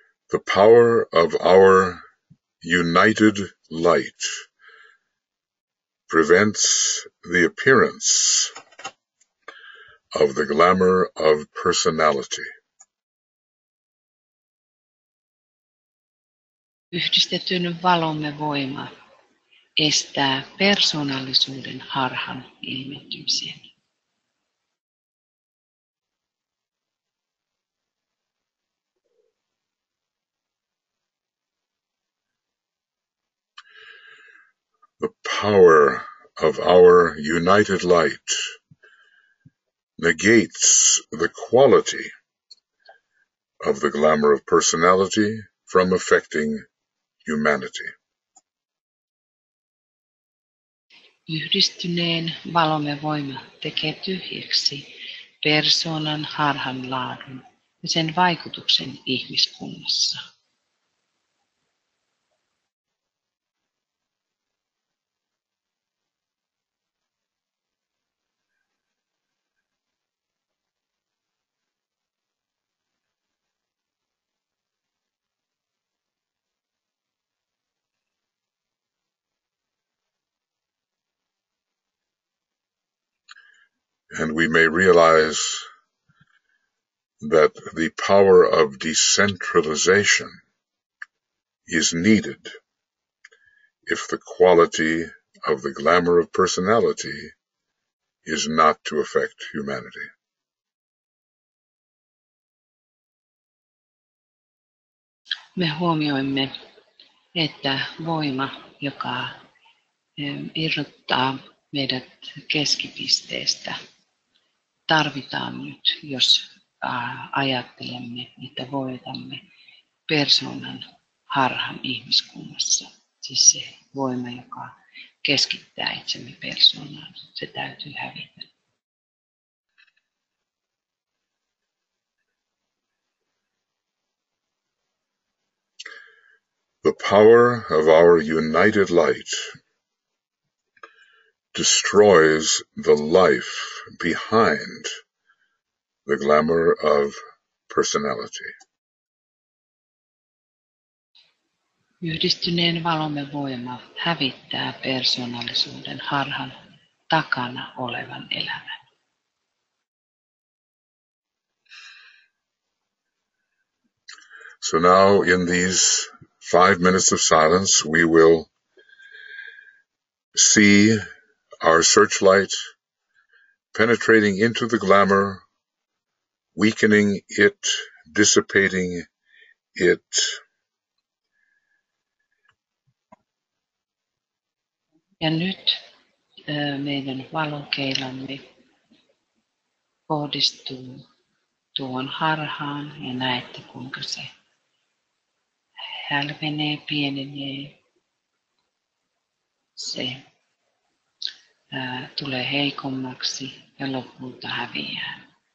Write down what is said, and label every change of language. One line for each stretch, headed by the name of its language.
English: the power of our united light prevents the appearance of the glamour of personality.
Finnish: Yhdistetyn valomme voima estää persoonallisuuden harhan ilmentymisen.
English: The power of our united light negates the quality of the glamour of personality from affecting humanity.
Finnish: Yhdistyneen valomme voima tekee tyhjäksi persoonan harhan laadun ja sen vaikutuksen ihmiskunnassa.
English: And we may realize that the power of decentralization is needed if the quality of the glamour of personality is not to affect humanity.
Finnish: Me huomioimme, että voima, joka irrottaa meidät keskipisteestä, tarvitaan nyt, jos ajattelemme, että voitamme persoonan harhan ihmiskunnassa. Siis se voima, joka keskittää itsemme persoonaan, se täytyy hävitä.
English: The power of our united light destroys the life behind the glamour of personality.
Finnish: Yhdistyneen valomme voima hävittää persoonallisuuden harhan takana olevan elämän.
English: So now in these 5 minutes of silence, we will see our searchlight penetrating into the glamour, weakening it, dissipating it,
Finnish: ja nyt meidän valokeilamme kohdistuu tuon harhaan ja näette kuinka se hälvenee, pienenee, se tulee heikommaksi ja lopulta häviää.